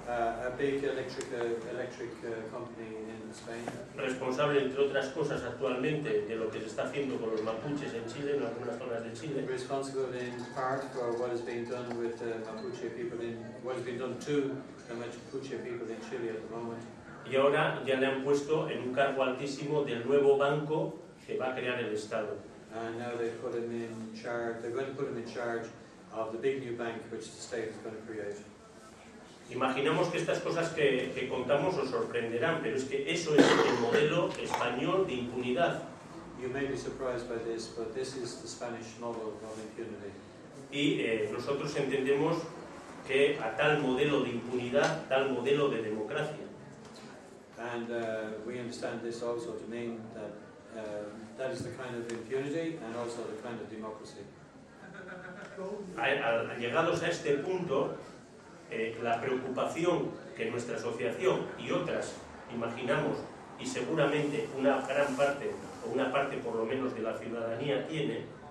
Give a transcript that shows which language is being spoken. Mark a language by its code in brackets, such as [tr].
[en] a big electric company in Spain, [es] responsable entre otras cosas actualmente de lo que se está haciendo con los mapuches en Chile, en algunas zonas de Chile, [en] responsible in part for what is being done with the Mapuche people in, what is being done to the Mapuche people in Chile at the moment. [es] Y ahora ya le han puesto en un cargo altísimo del nuevo banco que va a crear el Estado. [en] And now they've put him in charge. They're going to put him in charge of the big new bank, which the state is going to create. [es] Imaginamos que estas cosas que contamos os sorprenderán, pero es que eso es el modelo español de impunidad. [en] You may be surprised by this, but this is the Spanish model of impunity. [es] Y nosotros entendemos que a tal modelo de impunidad, tal modelo de democracia. [en] And we understand this also to mean that. That is the kind of impunity and also the kind of democracy. [es] Llegados a este punto, la preocupación que nuestra asociación y otras imaginamos, y seguramente una gran parte o una parte por lo menos de la ciudadanía tiene,